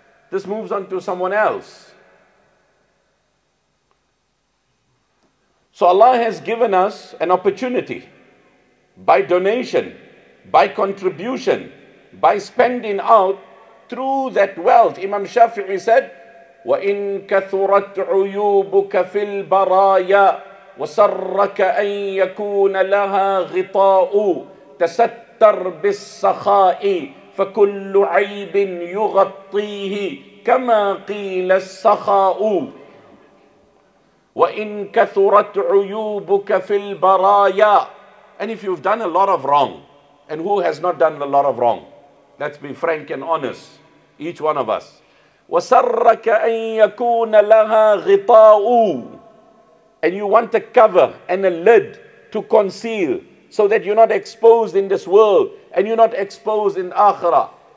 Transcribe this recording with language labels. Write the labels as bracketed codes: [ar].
[en] This moves on to someone else. So Allah has given us an opportunity by donation, by contribution, by spending out through that wealth. [ar] Imam Shafi'i said, وَإِنْ كَثُرَتْ عُيُوبُكَ فِي الْبَرَايَا وَسَرَّكَ أَنْ يَكُونَ لَهَا غِطَاءُ تَسَتَّرْ بِالسَّخَاءِ فَكُلُّ عَيْبٍ يُغَطِّيهِ كَمَا قِيلَ السَّخَاءُ وَإِنْ كَثُرَتْ عُيُوبُكَ فِي الْبَرَايَا [en] And if you've done a lot of wrong, and who has not done a lot of wrong? Let's be frank and honest, each one of us. [ar] وَسَرَّكَ أَنْ يَكُونَ لَهَا غِطَاءُ [en] And you want a cover and a lid to conceal so that you're not exposed in this world and you're not exposed in Akhirah.